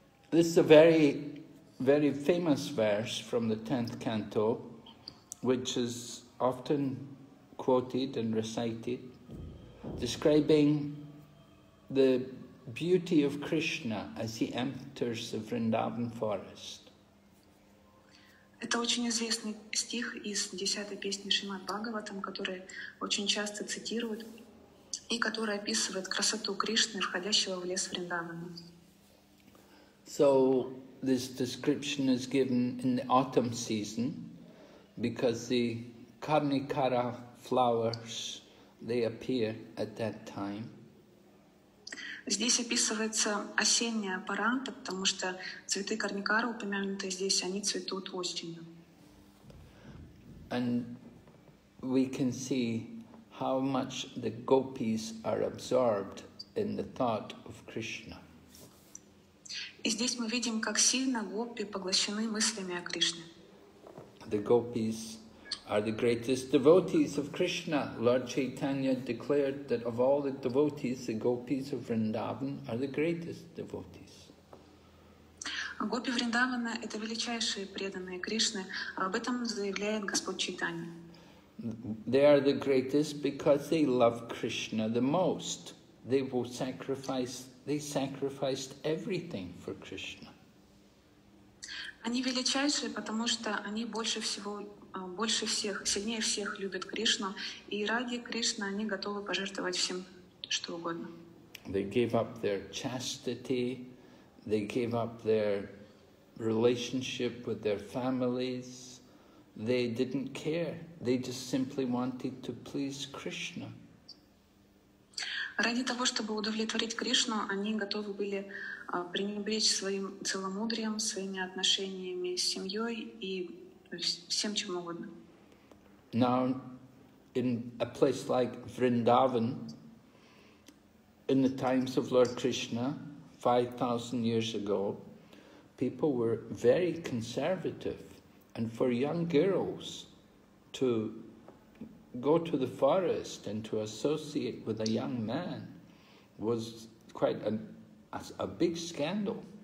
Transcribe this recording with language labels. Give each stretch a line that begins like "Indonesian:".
English: This is a very, very famous verse from the 10th canto, which is often quoted and recited, describing the beauty of Krishna as he enters the Vrindavan forest.
Russian: Это очень известный стих из 10-й песни Шримад Бхагаватам, который очень часто цитируют и который описывает красоту Кришны, входящего в лес Вриндавана.
English: So this description is given in the autumn season because the Karnikara flowers, they appear at that time.
Russian: Здесь описывается осенняя пора, потому что цветы Карникара, упомянутые здесь, они цветут осенью.
English: And we can see how much the gopis are absorbed in the thought of Krishna.
Russian: И здесь мы видим, как сильно гопи поглощены мыслями о Кришне.
English: The gopis are the greatest devotees of Krishna. Lord Chaitanya declared that of all the devotees, the gopis of Vrindavan are the greatest devotees.
Russian: Гопи Вриндавана — это величайшие преданные Кришны. Об этом заявляет Господь Чайтанья.
English: They are the greatest because they love Krishna the most. They will sacrifice. They sacrificed everything for Krishna.
Russian: Они величайшие, потому что они больше всех, сильнее всех любят Кришну, и ради Кришны они готовы пожертвовать всем, что угодно.
English: They gave up their chastity, they gave up their relationship with their families, they didn't care, they just simply wanted to please Krishna.
Russian: Ради того, чтобы удовлетворить Кришну, они готовы были пренебречь своим целомудрием, своими отношениями с семьей и всем чем угодно.
English: Now, in a place like Vrindavan, in the times of Lord Krishna, 5,000 years ago, people were very conservative, and for young girls to go to the forest and to associate with a young man was quite a big scandal.